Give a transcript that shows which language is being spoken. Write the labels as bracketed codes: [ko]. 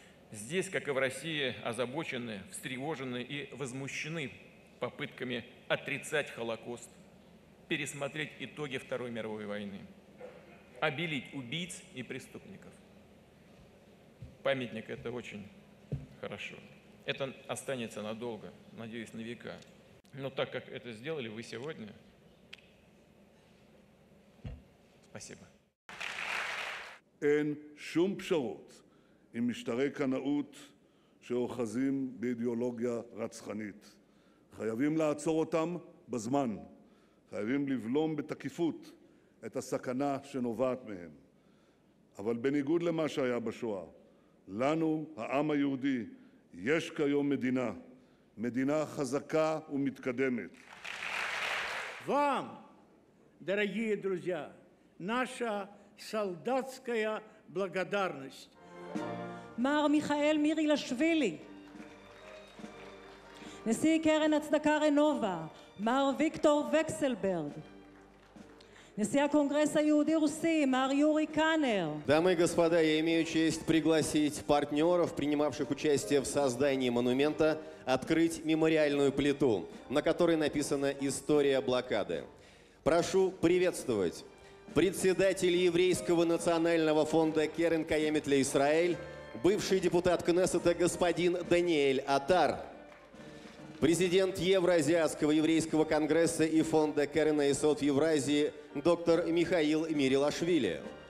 [ru] Здесь, как и в России, озабочены, встревожены и возмущены попытками отрицать Холокост, пересмотреть итоги Второй мировой войны, обелить убийц и преступников. Памятник – это очень хорошо. Это останется надолго, надеюсь, на века. Но так как это сделали вы сегодня, спасибо. [he] Эн шум пшарот עם משטרי קנאות שאוחזים באידיאולוגיה רצחנית. חייבים לעצור אותם בזמן. חייבים לבלום בתקיפות את הסכנה שנובעת מהם. אבל בניגוד למה שהיה בשואה, לנו, העם היהודי, יש כיום מדינה. מדינה חזקה ומתקדמת. [ru] Вам, дорогие друзья, наша солдатская благодарность. [he] מר מיכאל מירי לשבילי, נשיא קרן הצדקה רנובה, מר ויקטור וקסלברג, נשיא הקונגרס היהודי רוסי, מר יורי קאנר. [ru] Дамы и господа, я имею честь пригласить партнеров, принимавших участие в создании монумента, открыть мемориальную плиту, на которой написана история блокады. Прошу приветствовать председателя Еврейского национального фонда Керен Каямет ле Исраэль, бывший депутат Кнессета господин Даниэль Атар, президент Евразиатского еврейского конгресса и фонда Керен Айесод в Евразии доктор Михаил Мирилашвили.